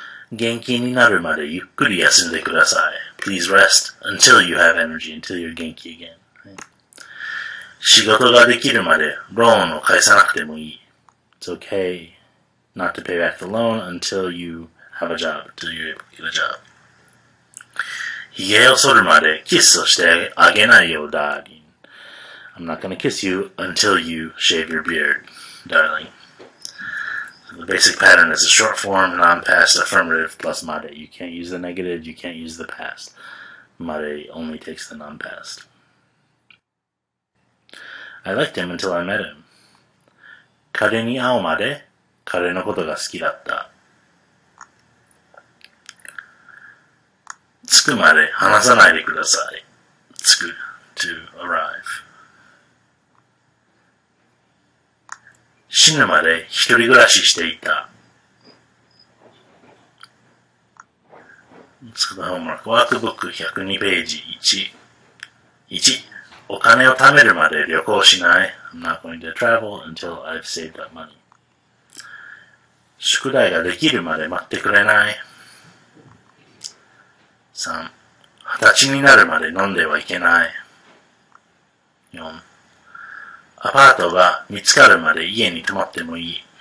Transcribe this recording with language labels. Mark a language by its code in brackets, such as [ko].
[ja] 元気になるまでゆっくり休んでください. [en] Please rest until you have energy, until you're 元気 again. [ja] 仕事ができるまでローンを返さなくてもいい。 [en] It's okay not to pay back the loan until you have a job, until you're able to get a job. [ja] ひげを剃るまでキスをしてあげないよ、 [en] darling. I'm not going to kiss you until you shave your beard, darling. So the basic pattern is a short form, non-past, affirmative, plus made. You can't use the negative, you can't use the past. Made only takes the non-past. I liked him until I met him. [ja] 彼に会うまで彼のことが好きだった。着くまで話さないでください。着く to arrive. 死ぬまで一人暮らししていた。 [en] Let's go to homework. Workbook [ja] 102ページ1. お金を貯めるまで旅行しない。 [en] I'm not going to travel until I've saved that money. [ja] 宿題ができるまで待ってくれない。 3. 二十歳になるまで飲んではいけない。 4. アパートが見つかるまで家に泊まってもいい。